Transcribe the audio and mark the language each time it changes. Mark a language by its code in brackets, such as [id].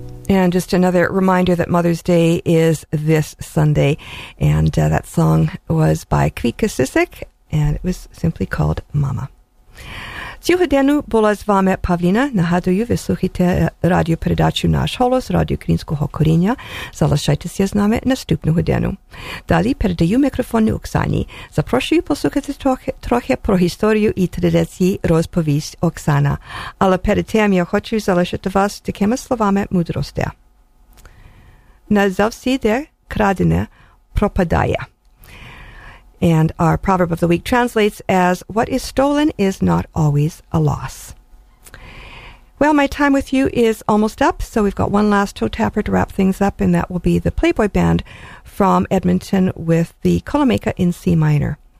[en] And just another reminder that Mother's Day is this Sunday. And that song was by Kvitka Sisek, and it was simply called Mama. [uk] Цього дня була з вами Павліна. Нагадую, ви слухаєте радіопередачу «Наш голос», радіо українського коріння. Залишайтеся з нами наступного дня. Далі передаю мікрофон Оксані. Запрошую послухати трохи про історію і традиції розповість Оксана. Але перед тим я хочу залишити вас такими словами мудрості. Не завжди крадене пропадає. [en] And our proverb of the week translates as, what is stolen is not always a loss. Well, my time with you is almost up, so we've got one last toe tapper to wrap things up, and that will be the Playboy Band from Edmonton with the Kolomeka in C minor.